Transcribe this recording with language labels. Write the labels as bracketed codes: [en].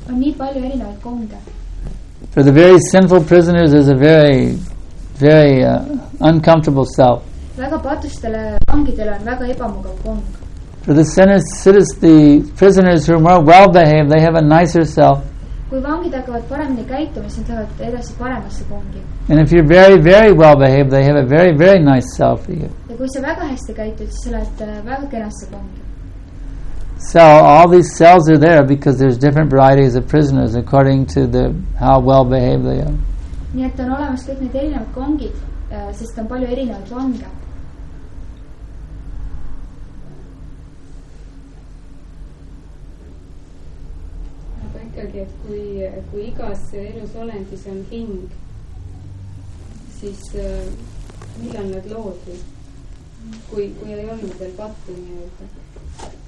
[et] On nii palju erinevaid koonde. [en] For the very sinful prisoners is a very very uncomfortable cell. [et] Väga patustele vangidele on väga ebamugav kong. [en] For the sinners, the prisoners who are more well behaved, they have a nicer cell. [et] Kui vangid hakkavad paremini käituma, siis nad saavad edasi paremasse kongi. [en] And if you're very very well behaved, they have a very very nice cell for you. [et] Ja kui sa väga hästi käitud, siis oled väga kenasse kongi. [en] So all these cells are there because there's different varieties of prisoners according to the how well behaved they are. [et] Nii et on olemas kõik need erinevad kongid, sest on palju erinevad vange. Aga ikkagi, et kui igas elus olendis on hing, siis mille on nad loodi, kui ei olnud veel patti nii-öelda?